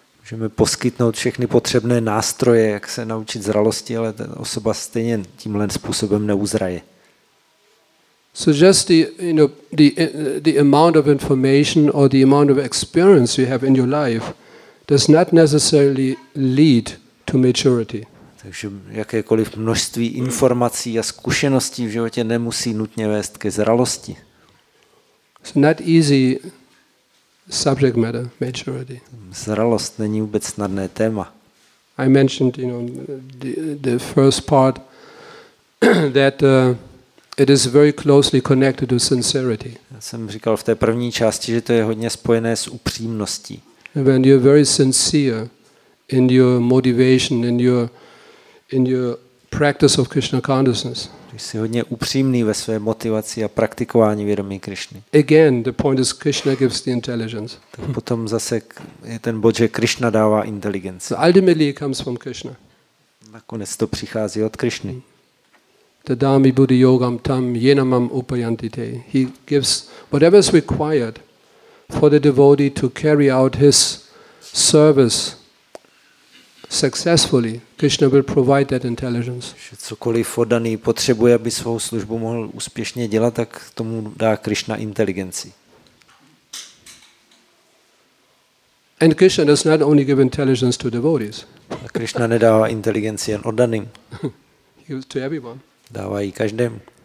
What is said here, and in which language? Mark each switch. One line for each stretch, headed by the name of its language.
Czech: Můžeme poskytnout všechny potřebné nástroje, jak se naučit zralosti, ale ta osoba stejně tímhle způsobem neuzraje.
English: So just the, you know, the amount of information or the amount of experience you have in your life does not necessarily lead to maturity.
Czech: Takže jakékoliv množství informací a zkušeností v životě nemusí nutně vést ke zralosti.
English: It's not easy subject matter, maturity.
Czech: Zralost není vůbec snadné téma.
English: I mentioned, you know, the first part that it is very closely connected to sincerity.
Czech: Já jsem říkal v té první části, že to je hodně spojené s upřímností.
English: When you're very sincere in your motivation, in your practice of Krishna consciousness.
Czech: Když jsi hodně upřímný ve své motivaci a praktikování vědomí Krišny.
English: Again, the point is Krishna gives the intelligence.
Czech: Tak potom zase je ten bod, že Krišna dává inteligenci.
English: So ultimately it comes from Krishna.
Czech: Nakonec to přichází od Krišny.
Sanskrit: Tadami buddhi yogam tam yenamam upayantite.
English: He gives whatever is required for the devotee to carry out his service successfully, Krishna will provide that intelligence.
Czech: Že cokoliv oddaný potřebuje, aby svou službu mohl úspěšně dělat, tak tomu dá Krishna inteligenci.
English: And Krishna does not only give intelligence to devotees.
Czech: A Krishna nedává inteligenci jen oddaným.
English: He gives to everyone.
Czech: Dává ji každému.